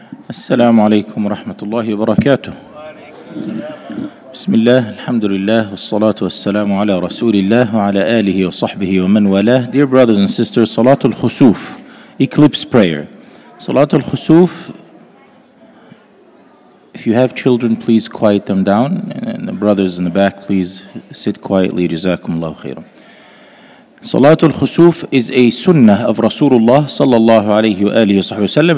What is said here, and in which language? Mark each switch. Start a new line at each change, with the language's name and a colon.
Arabic: السلام عليكم ورحمة الله وبركاته. بسم الله، الحمد لله، والصلاة والسلام على رسول الله وعلى آله وصحبه ومن والاه.
English: Dear brothers and sisters,
Arabic: صلاة الخسوف,
English: eclipse prayer.
Arabic: صلاة الخسوف,
English: if you have children, please quiet them down. And the brothers in the back, please sit quietly.
Arabic: جزاكم الله خيرا.
English: صلاة الخسوف is a sunnah of Rasulullah
Arabic: صلى الله عليه وآله وصحبه وسلم.